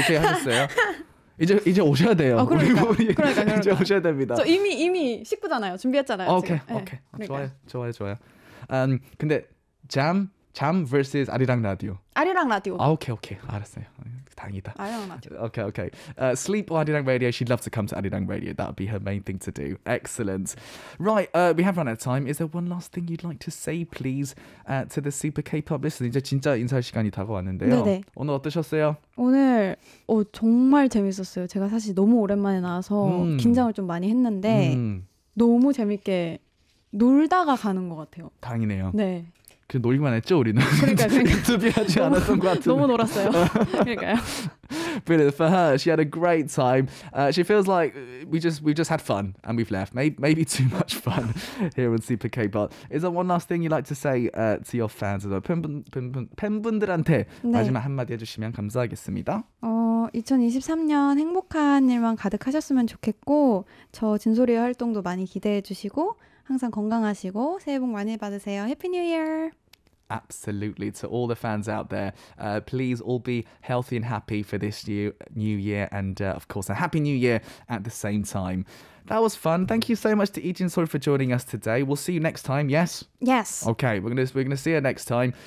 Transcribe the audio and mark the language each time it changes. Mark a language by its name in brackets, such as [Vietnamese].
[Korean] 오케이 하셨어요. 이제 오셔야 돼요. 아, 그러니까, 그러니까. 이제 오셔야 됩니다. 저 이미 식구잖아요. 준비했잖아요. 오케이, 지금. 오케이. 네, 그러니까. 좋아요, 좋아요, 좋아요. 근데... 잠 vs 아리랑 라디오. 아리랑 라디오. 아, 오케이 오케이 알았어요. 다행이다. 아리랑 라디오. [English] 오케이 오케이. Sleep or 아리랑 라디오. She'd love to come to 아리랑 라디오. That would be her main thing to do. Excellent. Right, we have run out of time. Is there one last thing you'd like to say, please, to the Super K-pop listeners? [Korean] 이제 진짜 인사할 시간이 다가왔는데요. 네네. 오늘 어떠셨어요? 오늘 정말 재밌었어요. 제가 사실 너무 오랜만에 나와서 긴장을 좀 많이 했는데 너무 재밌게 놀다가 가는 것 같아요. 다행이네요. 네. 그 놀기만 했죠 우리는. 그러니까 인터뷰하지 않았던 것 같은데. 너무 놀았어요. 그러니까요. [English] But for her, she had a great time. She feels like we just had fun and we've left. Maybe too much fun here on Super K-pop. Is there one last thing you'd like to say to your fans? [Korean] 팬분들한테 마지막 한마디 해주시면 감사하겠습니다. 2023년 행복한 일만 가득하셨으면 좋겠고 저 진솔이 활동도 많이 기대해 주시고 항상 건강하시고 새해 복 많이 받으세요. [English] Happy New Year! Absolutely. To all the fans out there, please all be healthy and happy for this new year and of course a Happy New Year at the same time. That was fun. Thank you so much to 이진솔 for joining us today. We'll see you next time, yes? Yes. Okay, we're gonna see you next time.